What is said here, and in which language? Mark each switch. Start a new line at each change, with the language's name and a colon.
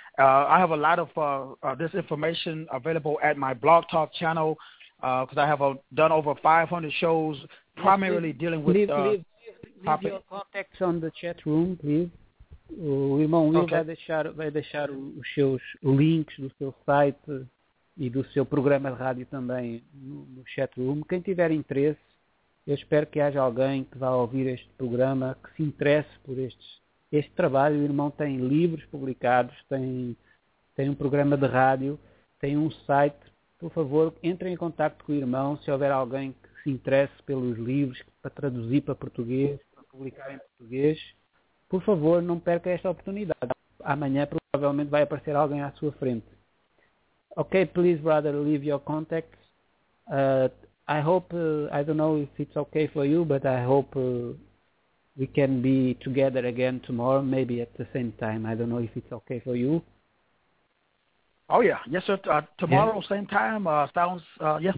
English: I have a lot of this information available at my Blog Talk channel because I have done over 500 shows primarily dealing with leave your contacts on the chat room, please.
Portuguese: O irmão Will, okay, vai deixar os seus links do seu site e do seu programa de rádio também no chat room. Quem tiver interesse, eu espero que haja alguém que vá ouvir este programa, que se interesse por este trabalho. O irmão tem livros publicados, tem um programa de rádio, tem um site. Por favor, entrem em contacto com o irmão se houver alguém que se interesse pelos livros, para traduzir para português, para publicar em português. Por favor, não perca esta oportunidade. Amanhã provavelmente vai aparecer alguém à sua frente.
English: Ok, please, brother, leave your contacts. I hope, I don't know if it's okay for you, but I hope we can be together again tomorrow, maybe at the same time. I don't know if it's okay for you. Oh, yeah. Yes, sir. Tomorrow, yeah. Same time. Sounds, yes,